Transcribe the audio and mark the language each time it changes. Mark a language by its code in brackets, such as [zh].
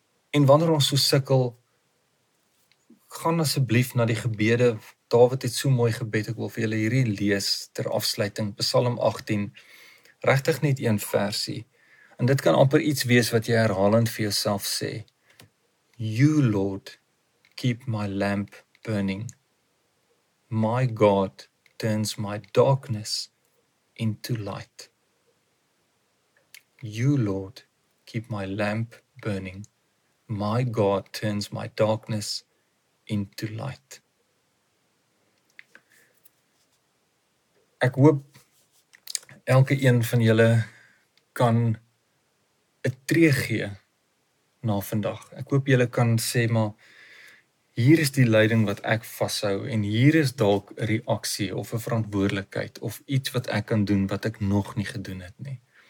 [af] En wanneer ons so sukkel, gaan asseblief na die gebede. Dawid het so mooi gebed, ek wil vir julle hierdie lees ter afsluiting, Psalm 18, regtig net een versie. En dit kan amper iets wees wat jy herhalend vir jouself sê. [en] You Lord, keep my lamp burning. My God turns my darkness into light. You Lord, keep my lamp burning. My God turns my darkness into light. [af] Ek hoop elke een van julle kan 'n tree gee na vandag. Ek hoop julle kan sê maar hier is die lyding wat ek vashou en hier is dalk 'n reaksie of 'n verantwoordelikheid of iets wat ek kan doen wat ek nog nie gedoen het nie.